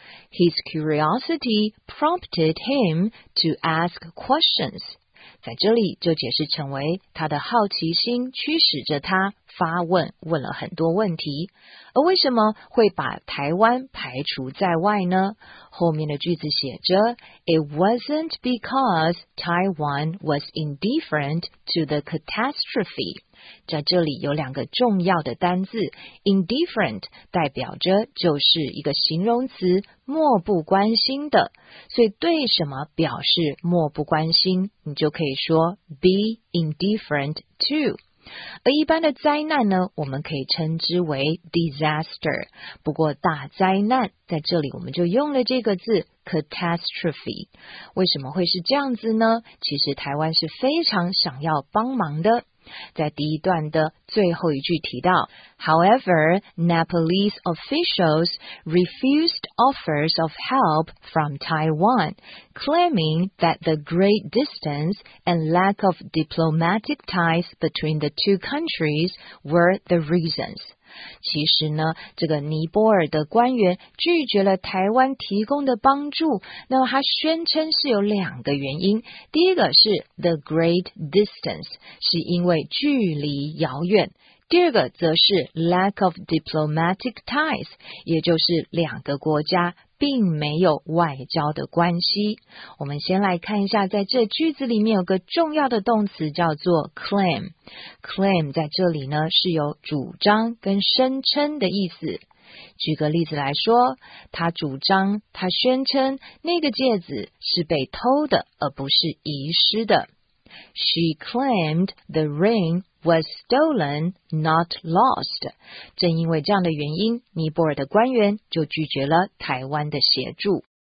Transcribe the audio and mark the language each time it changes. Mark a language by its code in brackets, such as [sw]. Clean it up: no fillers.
[en] His curiosity prompted him to ask questions， [zh] 在这里就解释成为他的好奇心驱使着他发问，问了很多问题。而为什么会把台湾排除在外呢？后面的句子写着 [en] It wasn't because Taiwan was indifferent to the catastrophe。 [zh] 在这里有两个重要的单字 indifferent 代表着就是一个形容词漠不关心的，所以对什么表示漠不关心，你就可以说 [en] be indifferent to。 [zh] 而一般的灾难呢，我们可以称之为 disaster， 不过大灾难在这里我们就用了这个字 catastrophe。为什么会是这样子呢？其实台湾是非常想要帮忙的。在第一段的最后一句提到 [en] However, Nepalese officials refused offers of help from Taiwan, claiming that the great distance and lack of diplomatic ties between the two countries were the reasons. [zh] 其实呢，这个尼泊尔的官员拒绝了台湾提供的帮助，那么他宣称是有两个原因。第一个是 [en] the great distance， [zh] 是因为距离遥远。第二个则是 [en] lack of diplomatic ties， [zh] 也就是两个国家并没有外交的关系。我们先来看一下，在这句子里面有个重要的动词叫做 claim。 claim 在这里呢是有主张跟声称的意思。举个例子来说，他主张，他宣称那个戒指是被偷的而不是遗失的。 [en] She claimed the ring was stolen, not lost. [zh] 正因为这样的原因，尼泊尔的官员就拒绝了台湾的协助。